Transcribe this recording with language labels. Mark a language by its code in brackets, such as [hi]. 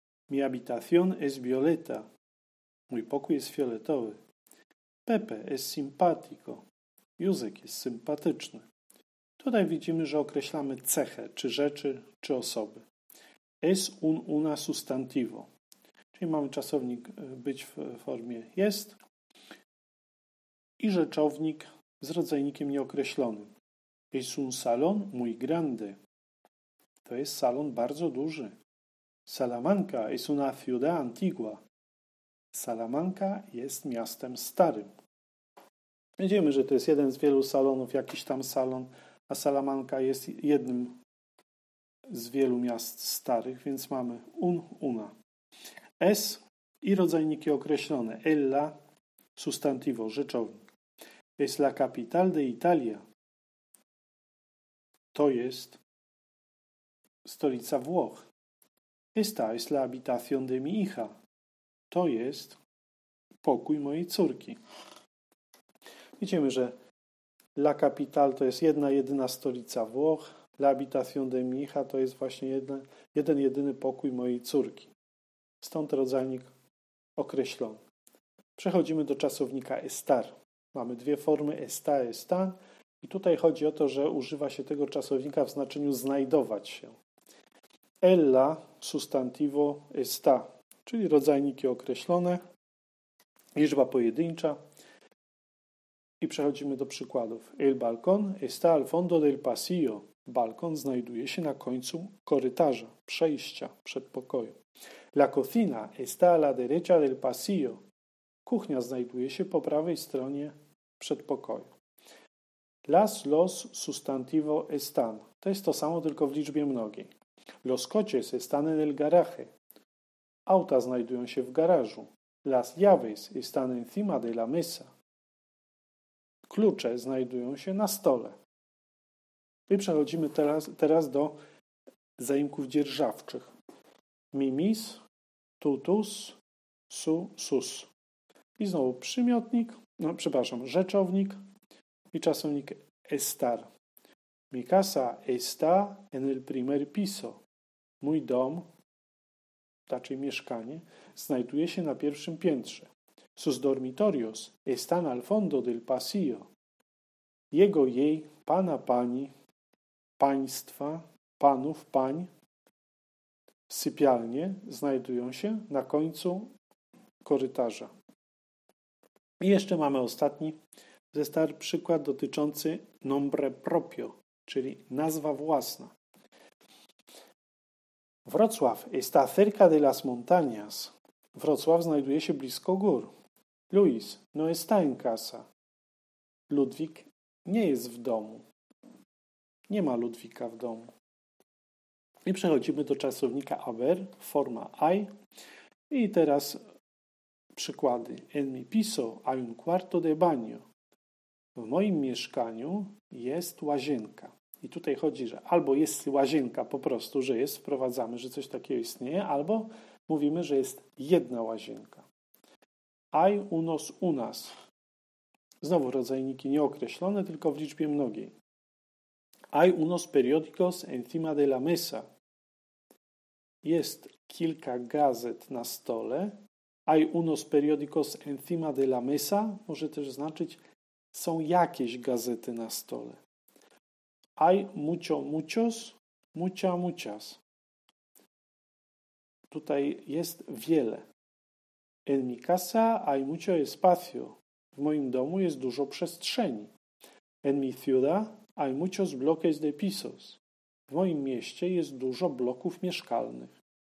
[es] Mi habitación es violeta. [pl] Mój pokój jest fioletowy. [es] Pepe es simpático. [pl] Józek jest sympatyczny. Tutaj widzimy, że określamy cechę, czy rzeczy, czy osoby. [es] Es un una sustantivo. [pl] Czyli mamy czasownik być w formie jest i rzeczownik z rodzajnikiem nieokreślonym. [es] Es un salón muy grande. [pl] To jest salon bardzo duży. [es] Salamanca es una ciudad antigua. [pl] Salamanca jest miastem starym. Widzimy, że to jest jeden z wielu salonów, jakiś tam salon, a Salamanca jest jednym z wielu miast starych, więc mamy un, una. Es i rodzajniki określone. Ella, sustantivo, rzeczownik. [es] Es la capital de Italia. [pl] To jest stolica Włoch. [es] Esta es la habitación de mi hija. [pl] To jest pokój mojej córki. Widzimy, że la capital to jest jedyna stolica Włoch. [es] La habitación de mi hija [pl] to jest właśnie jedyny pokój mojej córki. Stąd rodzajnik określony. Przechodzimy do czasownika estar. Mamy dwie formy, está, está. I tutaj chodzi o to, że używa się tego czasownika w znaczeniu znajdować się. Ella, sustantivo, está. Czyli rodzajniki określone, liczba pojedyncza. I przechodzimy do przykładów. [es] El balcón está al fondo del pasillo. [pl] Balkon znajduje się na końcu korytarza, przejścia, przedpokoju. [es] La cocina está a la derecha del pasillo. [pl] Kuchnia znajduje się po prawej stronie przedpokoju. [es] Las, los, sustantivo, están. [pl] To jest to samo, tylko w liczbie mnogiej. [es] Los coches están en el garaje. [pl] Auta znajdują się w garażu. [es] Las llaves están encima de la mesa. [pl] Klucze znajdują się na stole. I przechodzimy teraz do zaimków dzierżawczych. [es] Mimis, tutus, su, sus. [pl] I znowu przymiotnik, no przepraszam, rzeczownik i czasownik estar. [es] Mi casa está en el primer piso. [pl] Mój dom, raczej mieszkanie, znajduje się na pierwszym piętrze. [es] Sus dormitorios están al fondo del pasillo. [pl] Jego, jej, pana, pani, państwa, panów, pań, sypialnie znajdują się na końcu korytarza. I jeszcze mamy ostatni ze star przykład dotyczący nombre propio, czyli nazwa własna. [es] Wrocław está cerca de las montañas. [pl] Wrocław znajduje się blisko gór. [es] Luis no está en casa. [pl] Ludwik nie jest w domu. Nie ma Ludwika w domu. I przechodzimy do czasownika haber, forma hay. I teraz przykłady. [es] En mi piso hay un cuarto de baño. [pl] W moim mieszkaniu jest łazienka. I tutaj chodzi, że albo jest łazienka po prostu, że jest, wprowadzamy, że coś takiego istnieje, albo mówimy, że jest jedna łazienka. [es] Hay unos unas. [pl] Znowu rodzajniki nieokreślone, tylko w liczbie mnogiej. [es] Hay unos periódicos encima de la mesa. [pl] Jest kilka gazet na stole. [es] Hay unos periódicos encima de la mesa [pl] może też znaczyć, są jakieś gazety na stole. [es] Hay mucho, muchos, mucha, muchas. [pl] Tutaj jest wiele. [es] En mi casa hay mucho espacio. [pl] W moim domu jest dużo przestrzeni. [es] En mi ciudad hay muchos bloques de pisos. [pl] W moim mieście jest dużo bloków mieszkalnych.